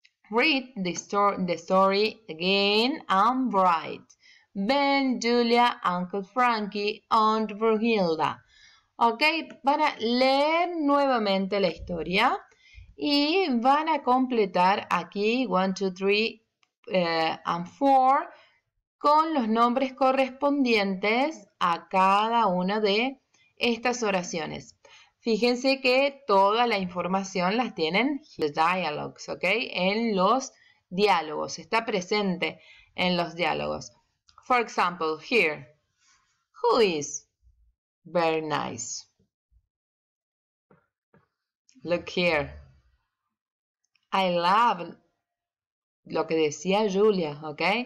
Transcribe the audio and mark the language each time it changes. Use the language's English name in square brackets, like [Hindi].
[English] Read the story again and write. Ben, Julia, Uncle Frankie, Aunt Brunhilda. [Spanish] Ok, van a leer nuevamente la historia y van a completar aquí 1, 2, 3 and 4 con los nombres correspondientes a cada una de estas oraciones. Fíjense que toda la información las tienen [English] the dialogues, [Spanish] ¿ok? En los diálogos, está presente en los diálogos. [English] For example, here, who is very nice? Look here, I love, [Spanish] lo que decía Julia, [English] ¿ok?